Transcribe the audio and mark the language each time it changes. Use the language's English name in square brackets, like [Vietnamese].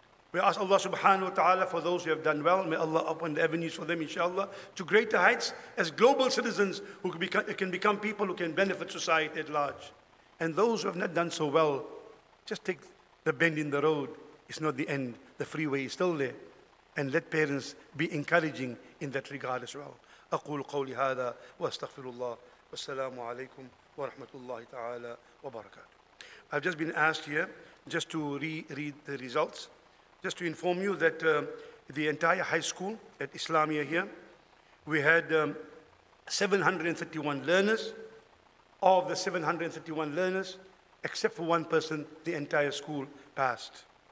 [English] We ask Allah subhanahu wa ta'ala for those who have done well. May Allah open the avenues for them, inshallah, to greater heights as global citizens who can become people who can benefit society at large. And those who have not done so well, just take the bend in the road. It's not the end. The freeway is still there. And let parents be encouraging in that regard as well. [Arabic] أقول قولي هذا واستغفر الله والسلام عليكم ورحمة الله تعالى وبركاته. [English] I've just been asked here just to re-read the results. Just to inform you that the entire high school at Islamia here, we had 731 learners, of the 731 learners, except for one person, the entire school passed.